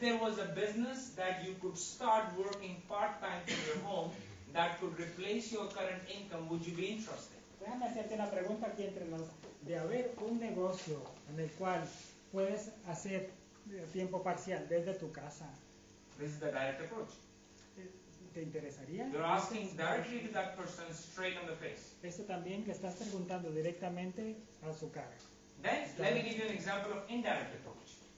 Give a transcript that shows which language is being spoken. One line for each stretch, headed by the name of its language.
English: there was a business that you could start working part-time from your home that could replace your current income, would you be interested?
Spanish: Déjame hacerte una pregunta aquí entre nos. De haber un negocio en el cual puedes hacer tiempo parcial desde tu casa.
English: This is the direct approach.
Spanish: ¿Te interesaría?
English: You're asking directly to that person straight on the face.
Spanish: Esto también que estás preguntando directamente a su cara.
English: Then, let me give you an example of indirect approach.